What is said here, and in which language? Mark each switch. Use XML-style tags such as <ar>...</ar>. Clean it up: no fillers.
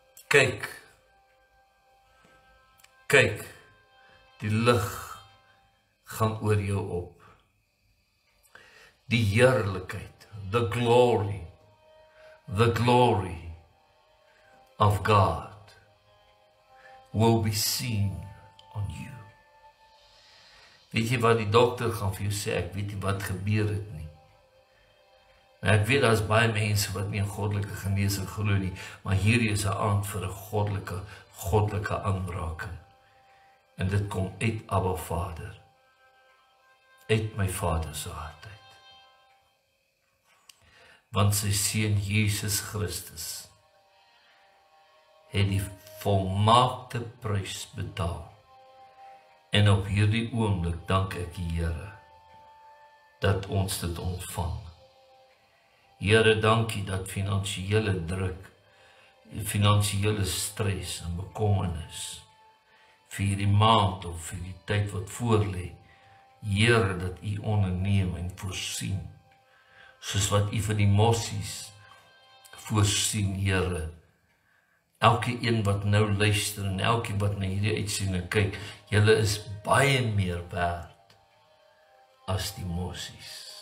<af>Kyk, die lig gaan oor jou op. Die heerlikheid,</af> <en>the glory of God will be seen on you.</en> <af>Weet jy wat die dokter gaan vir jou sê, ek weet nie wat gebeur het nie. Maar ek weet, daar is baie mense wat nie in goddelike geneesing glo nie, maar hier is 'n aand vir 'n goddelike aanraking. En dit kom uit Abba Vader, uit my Vader se hart uit. Want sy Seun Jesus Christus het die volmaakte prys betaal. En op hierdie oomblik dank ek die Here dat ons dit ontvang. Here, dankie dat finansiële druk, finansiële stres en bekommernis vir hierdie maand of vir die tyd wat voorlê, Here, dat U onderneem en voorsien, soos wat U vir die mossies voorsien, Here. Elke een wat nou luister en elke wat na hierdie uitsending kyk, julle is baie meer werd as die mossies.</af>